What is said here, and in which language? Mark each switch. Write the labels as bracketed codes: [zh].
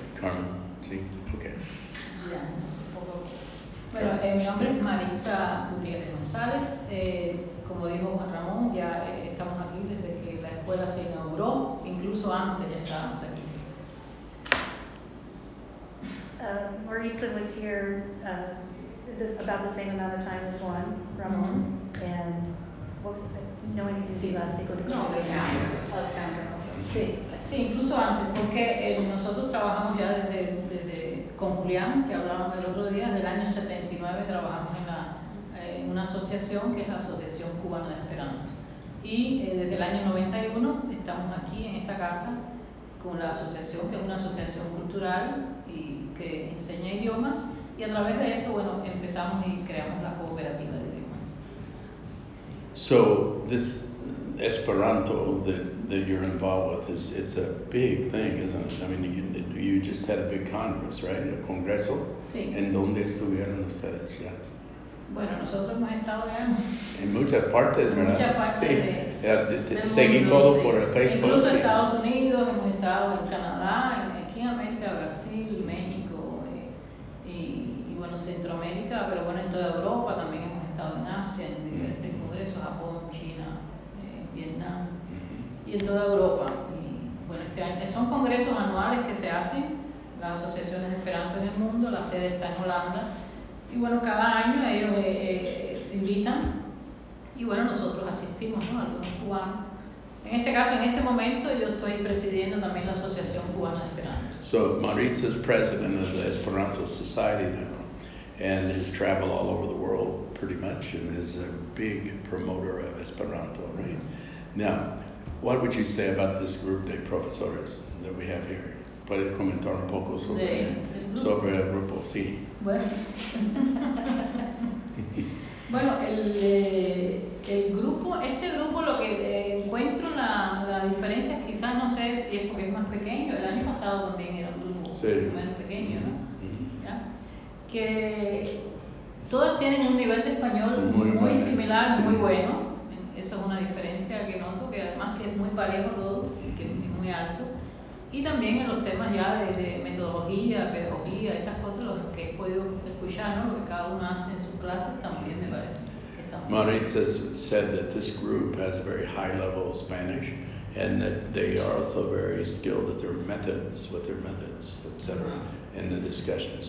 [es] Carmen, sí, ok. Ya, un poco. Bueno, mi nombre es Maritza Gutiérrez González, como dijo Juan Ramón, ya estamos aquí desde que la escuela se inauguró, incluso antes ya estábamos aquí. [en] Maritza was here this, about the same amount of time as Juan Ramón. Mm-hmm. And what was it? No, I need to see last week. No, the founder. [es] Sí, incluso antes, porque nosotros trabajamos ya desde con Julián, que hablábamos el otro día, del año 79 trabajamos en una asociación que es la Asociación Cubana de Esperanto. Y desde el año 91 estamos aquí en esta casa con la asociación, que es una asociación cultural y que enseña idiomas. Y a través de eso, bueno, empezamos y creamos la cooperativa de idiomas. [en] So this Esperanto that you're involved with, is it's a big thing, isn't it? I mean, you just had a big congress, right? [es] A congreso? Sí. ¿En dónde estuvieron ustedes? [en] Yeah. [es] Bueno, nosotros hemos estado ya en muchas partes, ¿verdad? Muchas partes. Sí. Seguí todo por Facebook. Incluso en Estados Unidos, hemos estado en Canadá, aquí en América, Brasil, México, y bueno, Centroamérica, pero bueno, en toda Europa también hemos estado en Asia, en diferentes congresos, Japón, China, Vietnam, y en toda Europa. Y bueno, son congresos anuales que se hacen, las asociaciones de Esperanto en el mundo, la sede está en Holanda, y bueno, cada año ellos invitan, y bueno, nosotros asistimos, ¿no?, a los cubanos. En este caso, en este momento, yo estoy presidiendo también la Asociación Cubana de Esperanto. [en] So Maritza is president of the Esperanto Society now, and has traveled all over the world pretty much, and is a big promoter of Esperanto, right? Now, what would you say about this group [es] de profesores [en] that we have here? [es] ¿Puede comentar un poco sobre el grupo? Sí. Bueno, el grupo, este grupo, lo que encuentro la diferencia, quizás no sé si es porque es más pequeño, el año pasado también era un grupo menos pequeño, ¿no? Mm-hmm. ¿Ya? Que todas tienen un nivel de español muy similar, muy bueno. Eso es una diferencia que noto, que además que es muy parejo todo, que es muy alto. Y también en los temas ya de metodología, pedagogía, esas cosas, lo que he podido escuchar, ¿no?, lo que cada uno hace en sus clases, también me parece. [en] Maritza said that this group has a very high level of Spanish, and that they are also very skilled at their methods, with their methods, etc., in the discussions.